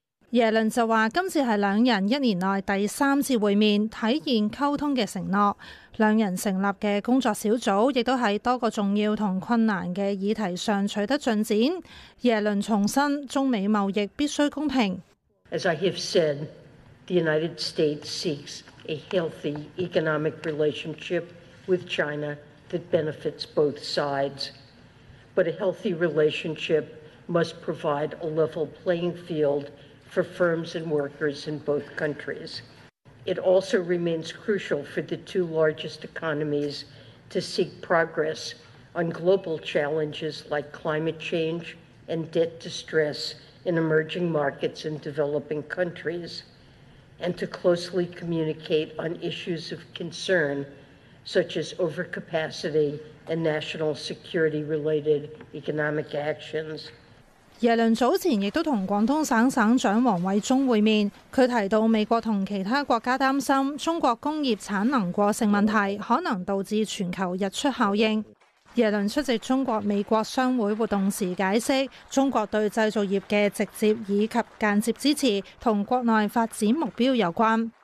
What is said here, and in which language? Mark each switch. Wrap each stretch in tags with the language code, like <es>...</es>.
<yue>耶伦就说今次是两人一年内第三次会面，体现沟通的承诺。两人成立的工作小组亦都在多个重要和困难的议题上取得进展。耶伦重申中美贸易必须公平。</yue> <en>As I have said, the United States seeks a healthy economic relationship with China. That benefits both sides. But a healthy relationship must provide a level playing field for firms and workers in both countries. It also remains crucial for the two largest economies to seek progress on global challenges like climate change and debt distress in emerging markets and developing countries, and to closely communicate on issues of concern. Such as overcapacity and national security-related economic actions.</en> <yue>耶倫早前亦都同廣東省省長王偉忠會面，佢提到美國同其他國家擔心中國工業產能過剩問題可能導致全球溢出效應。耶倫出席中國美國商會活動時解釋，中國對製造業嘅直接以及間接支持同國內發展目標有關。</yue>